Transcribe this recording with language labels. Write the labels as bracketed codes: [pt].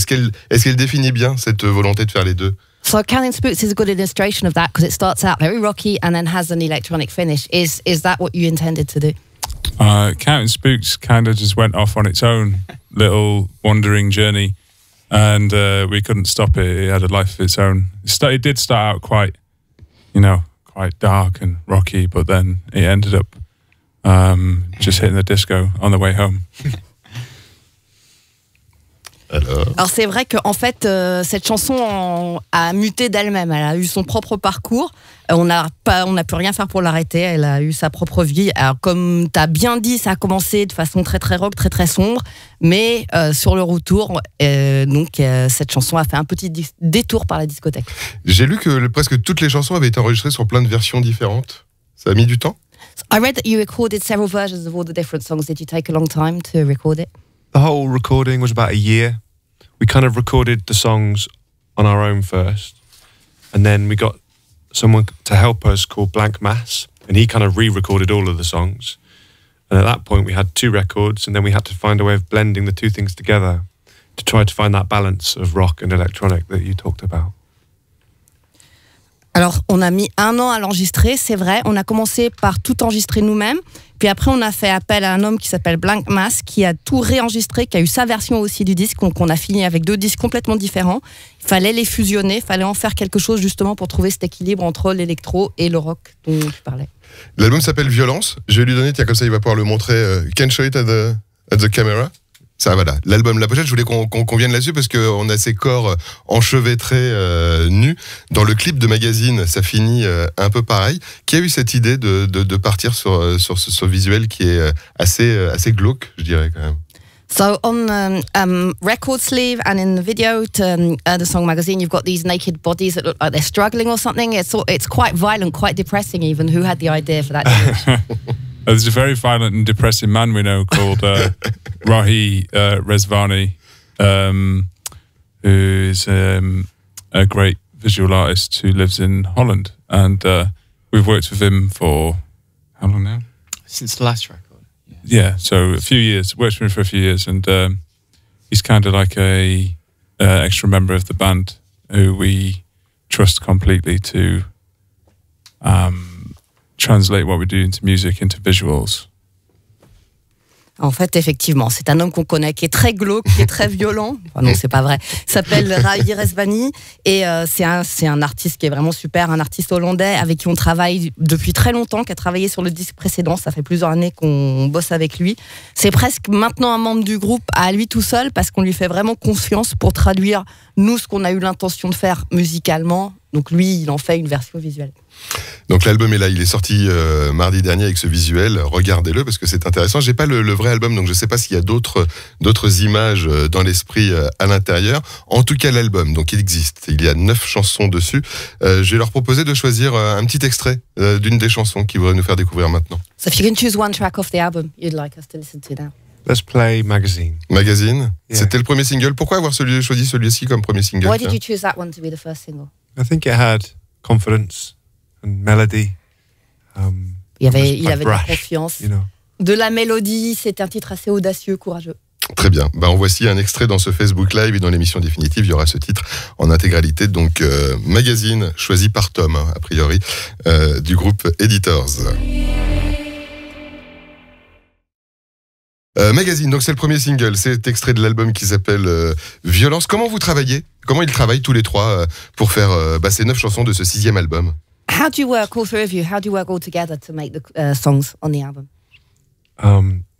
[fr] Est-ce qu'elle définit bien cette volonté de faire les deux? [en] So Counting Spooks is a good illustration of that because it starts out very rocky and then has an electronic finish. Is that what you intended to do? Counting Spooks kind of just went off on its own little wandering journey, and we couldn't stop it. It had a life of its own. It did start out quite, you know, quite dark and rocky, but then it ended up just hitting the disco on the way home. [fr] Alors c'est vrai qu'en fait, cette chanson a muté d'elle-même, elle a eu son propre parcours, on n'a pu rien faire pour l'arrêter, elle a eu sa propre vie. Alors comme tu as bien dit, ça a commencé de façon très très rock, très très sombre, mais sur le retour, cette chanson a fait un petit détour par la discothèque. J'ai lu que presque toutes les chansons avaient été enregistrées sur plein de versions différentes, ça a mis du temps. [en] I read that you recorded several versions of all the different songs. Did you take a long time to record it? The whole recording was about a year. We kind of recorded the songs on our own first, and then we got someone to help us called Blank Mass, and he kind of re-recorded all of the songs. And at that point, we had two records, and then we had to find a way of blending the two things together to try to find that balance of rock and electronic that you talked about. [fr] Alors, on a mis un an à l'enregistrer, c'est vrai. On a commencé par tout enregistrer nous-mêmes. Puis après, on a fait appel à un homme qui s'appelle Blank Mass, qui a tout réenregistré, qui a eu sa version aussi du disque. Donc, on a fini avec deux disques complètement différents. Il fallait les fusionner, il fallait en faire quelque chose justement pour trouver cet équilibre entre l'électro et le rock dont tu parlais. L'album s'appelle Violence. Je vais lui donner, tiens, comme ça, il va pouvoir le montrer. [en] You can show it at the camera. [fr] Ça va, voilà. L'album, la pochette, je voulais qu'on vienne là-dessus parce qu'on a ces corps enchevêtrés, nus. Dans le clip de Magazine, ça finit un peu pareil. Qui a eu cette idée de partir sur ce visuel qui est assez glauque, je dirais, quand même? [en] So on the record sleeve and in the video to the song Magazine, you've got these naked bodies that look like they're struggling or something. It's quite violent, quite depressing even. Who had the idea for that? There's a very violent and depressing man we know called Rahi Rezvani, who is a great visual artist who lives in Holland. And we've worked with him for how long now? Since the last record. Yeah, so a few years. Worked with him for a few years. And he's kind of like an extra member of the band who we trust completely to translate what we do into music, into visuals. [fr] En fait, effectivement, c'est un homme qu'on connaît qui est très glauque, qui est très violent. Enfin, non, c'est pas vrai. Il s'appelle Rahi Rezvani et c'est un artiste qui est vraiment super, un artiste hollandais avec qui on travaille depuis très longtemps, qui a travaillé sur le disque précédent. Ça fait plusieurs années qu'on bosse avec lui. C'est presque maintenant un membre du groupe à lui tout seul parce qu'on lui fait vraiment confiance pour traduire nous ce qu'on a eu l'intention de faire musicalement. Donc lui, il en fait une version visuelle. Donc l'album est là, il est sorti mardi dernier avec ce visuel. Regardez-le parce que c'est intéressant. J'ai pas le vrai album, donc je sais pas s'il y a d'autres images dans l'esprit à l'intérieur. En tout cas, l'album, donc il existe. Il y a 9 chansons dessus. Je vais leur proposer de choisir un petit extrait d'une des chansons qu'ils voudraient nous faire découvrir maintenant. [en] So if you can choose one track off the album, you'd like us to listen to now. Let's play Magazine. [fr] Magazine. Yeah. C'était le premier single. Pourquoi avoir choisi celui-ci comme premier single? [en] Why did you choose that one to be the first single? I think it had confidence. And melody, [fr] il y avait de la confiance, [en] you know. [fr] De la mélodie, c'est un titre assez audacieux, courageux. Très bien. Ben, en voici un extrait dans ce Facebook Live et dans l'émission définitive, il y aura ce titre en intégralité. Donc, magazine choisi par Tom, a priori, du groupe Editors. Magazine, donc c'est le premier single, c'est extrait de l'album qui s'appelle Violence. Comment vous travaillez? Comment ils travaillent tous les trois pour faire ces 9 chansons de ce 6e album? [en] How do you work, all three of you, how do you work all together to make the songs on the album?